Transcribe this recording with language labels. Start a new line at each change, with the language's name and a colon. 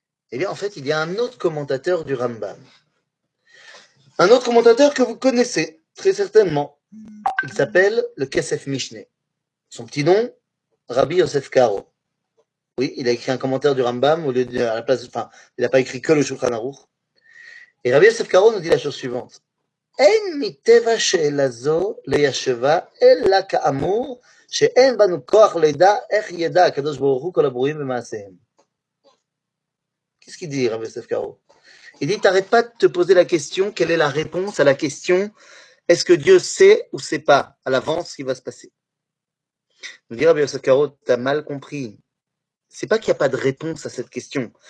French: Eh bien, en fait, il y a un autre commentateur du Rambam. Un autre commentateur que vous connaissez, très certainement. Il s'appelle le Kesef Mishneh. Son petit nom, Rabbi Yosef Karo. Oui, il a écrit un commentaire du Rambam au lieu de, à la place, enfin, il n'a pas écrit que le Shulchan Aruch. Et Rabbi Yosef Karo nous dit la chose suivante.
Hebrew: אין מטבע שאלה זו לישבה, אלא כאמור שאין בנו כוח לידע איך ידע הקדוש ברוך הוא כל הברואים ומעשיהם.
French: Qu'est-ce qu'il dit, Rabbi Yosef Karo? Il dit, t'arrête pas de te poser la question, quelle est la réponse à la question, est-ce que Dieu sait ou sait pas à l'avance ce qui va se passer? Il dit, Rabbi Yosef Karo, t'as mal compris. C'est pas qu'il n'y a pas de réponse à cette question.